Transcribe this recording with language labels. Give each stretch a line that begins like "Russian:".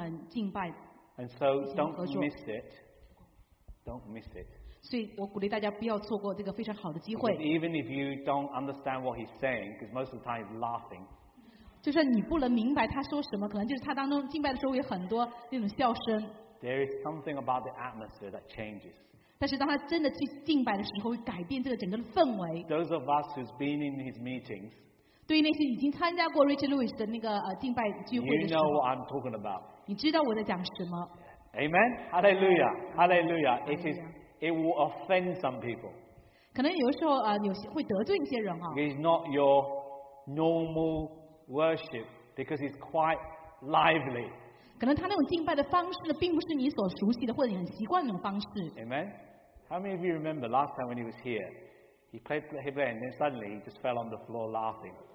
Chinese: 他也为世界各地很多有名的那些讲员呢，为他们敬拜。
English: And so don't miss it. Don't miss it.
Chinese: 所以我鼓励大家不要错过这个非常好的机会。
English: Even if you don't understand what he's saying, because most of the time he's laughing.
Chinese: 就算你不能明白他说什么，可能就是他当中敬拜的时候有很多那种笑声。
English: There is something about the atmosphere that changes.
Chinese: 但是当他真的去敬拜的时候，会改变这个整个的氛围。
English: Those of us who've been in his meetings,
Chinese: 对于那些已经参加过 Richard Lewis的那个敬拜聚会的时候，
English: you know what I'm talking about.
Chinese: 你知道我在讲什么。
English: Amen? Hallelujah! Hallelujah! It will offend some people.
Chinese: 可能有时候会得罪一些人。
English: It's not your normal worship because it's quite lively.
Chinese: 可能他那种敬拜的方式并不是你所熟悉的或者你很习惯的方式。
English: Amen? How many of you remember last time when he was here? He played, and then suddenly he just fell on the floor laughing.